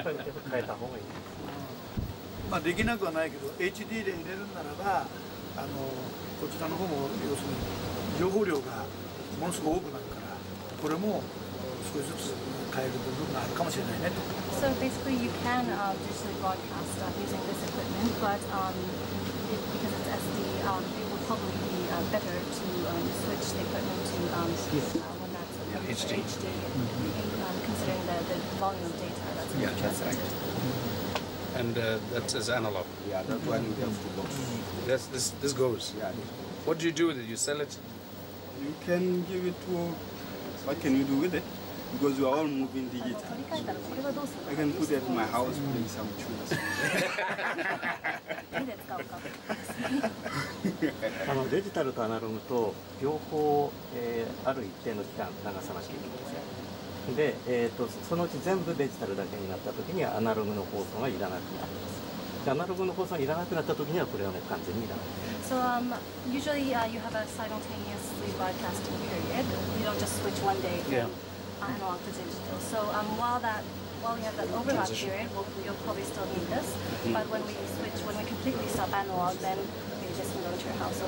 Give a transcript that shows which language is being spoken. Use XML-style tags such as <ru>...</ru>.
<ja>まあ、できなくはないけど、HD で入れるならば、こちらの方も要するに情報量がものすごく多くなるから、これも少しずつ変える部分があるかもしれないねと。</ja> <en>So basically you can digitally broadcast using this equipment, but because it's SD, it will probably be better to switch the equipment to HD. Considering the volume of data that's being transmitted. And that says analog. Yeah, that one goes to box. This goes. Yeah. What do you do with it? You sell it? You can give it to. What can you do with it? Because we are all moving digital. I can put it in my house, playing some tunes.</en> <ja>デジタルとアナログと両方、ある一定の期間長さなきゃいけないんですよ。で、そのうち全部デジタルだけになったときにはアナログの放送がいらなくなります。アナログの放送がいらなくなったときにはこれはもう完全にいらない。</ja> <en>So usually you have a simultaneously broadcasting period. You don't just switch one day from analog to digital. So while you have that overlap period, you'll probably still need this. But when we completely stop analog, then you just can go to your house.</en>